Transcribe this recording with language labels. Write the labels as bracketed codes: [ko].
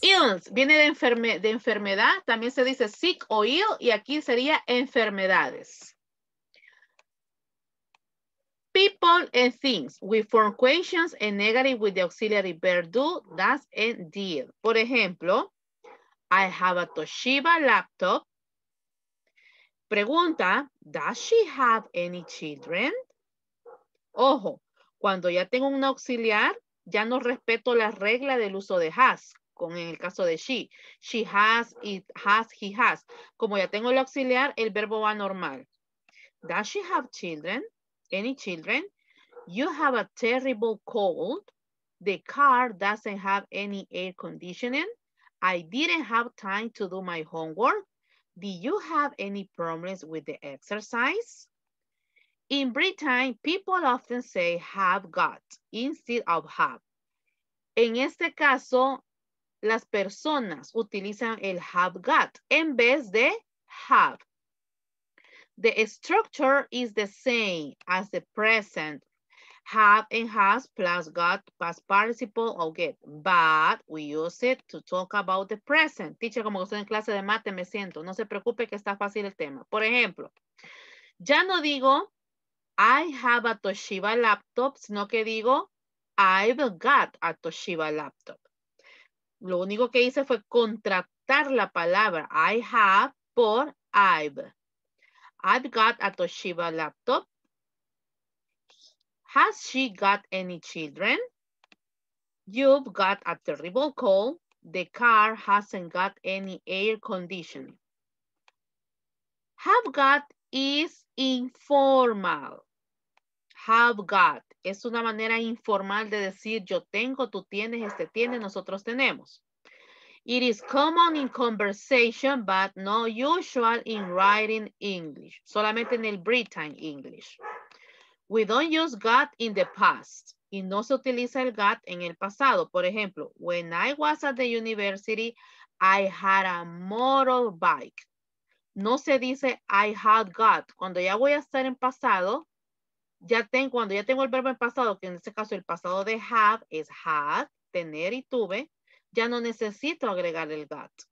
[es] Illness viene de enfermedad, también se dice sick o ill, y aquí sería enfermedades. [en] People and things. We form questions and negative with the auxiliary verb do, does, and did. [es] Por ejemplo, [en] I have a Toshiba laptop. [es] Pregunta, [en] does she have any children? [es] Ojo, cuando ya tengo un auxiliar, ya no respeto la regla del uso de has, como en el caso de she. [en] She has, it has, he has. [es] Como ya tengo el auxiliar, el verbo va normal. [en] Does she have children? Any children? You have a terrible cold. The car doesn't have any air conditioning. I didn't have time to do my homework. Do you have any problems with the exercise? In Britain, people often say have got instead of have. [es] En este caso, las personas utilizan el have got en vez de have. [en] The structure is the same as the present. Have and has plus got past participle or get. But we use it to talk about the present. [es] Teacher, como estoy en clase de mate, me siento. No se preocupe que está fácil el tema. Por ejemplo, ya no digo [en] I have a Toshiba laptop, [es] sino que digo [en] I've got a Toshiba laptop. [es] Lo único que hice fue contractar la palabra I have por I've. [en] I've got a Toshiba laptop. Has she got any children? You've got a terrible cold. The car hasn't got any air conditioning. Have got is informal. [es] Have got es una manera informal de decir yo tengo, tú tienes, este tiene, nosotros tenemos. [en] It is common in conversation, but not usual in writing English. [es] Solamente en el [en] Britain English. We don't use got in the past. [es] Y no se utiliza el got en el pasado. Por ejemplo, [en] when I was at the university, I had a motorbike. [es] No se dice [en] I had got. [es] Cuando ya voy a estar en pasado, cuando ya tengo el verbo en pasado, que en este caso el pasado de have es had, tener y tuve, ya no necesito agregar el got.